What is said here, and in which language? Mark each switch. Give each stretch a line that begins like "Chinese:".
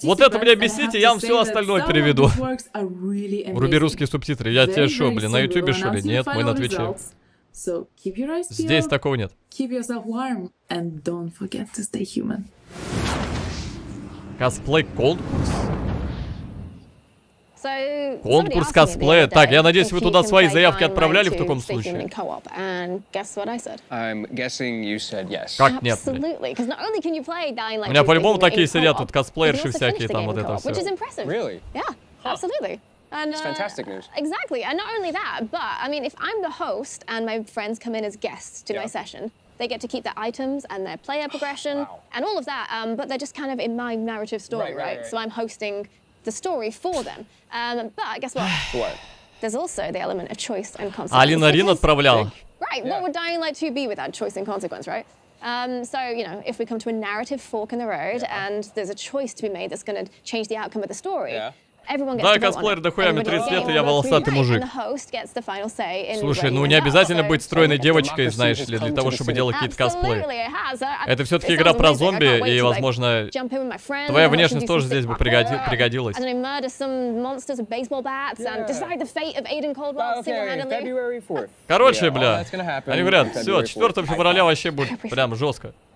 Russian: Вот это мне объясните, я вам все остальное переведу. Really вруби русские субтитры. Я тебе что, блин, на Ютубе что ли? Нет, мы на Твиче.
English: So keep your eyes peeled.
Russian: Здесь такого нет.
English: Keep yourself warm and don't forget to stay human.
Russian: Косплей-конкурс? Конкурс косплея. Так, я надеюсь, вы туда свои заявки отправляли в таком случае. Как нет? У меня по-любому такие сидят, тут косплеерши всякие, там вот это все.
English: They get to keep their items and their player progression and all of that, but they're just kind of in my narrative story, right? So I'm hosting the story for them. But guess what? What? There's also the element of choice and consequence.
Russian: Алина Рин отправляла.
English: Right, yeah. What would Dying Light 2 be without choice and consequence, right? So, you know, if we come to a narrative fork in the road yeah. and there's a choice to be made that's going to change the outcome of the story, yeah.
Russian: Да, косплеер, дохуя мне 30 лет, и я волосатый мужик. Слушай, ну не обязательно быть стройной девочкой, знаешь ли, для того, чтобы делать какие-то косплеи. Это все-таки игра про зомби, и, возможно, твоя внешность тоже здесь бы пригодилась. Короче, бля, они говорят, все, 4 февраля вообще будет прям жестко.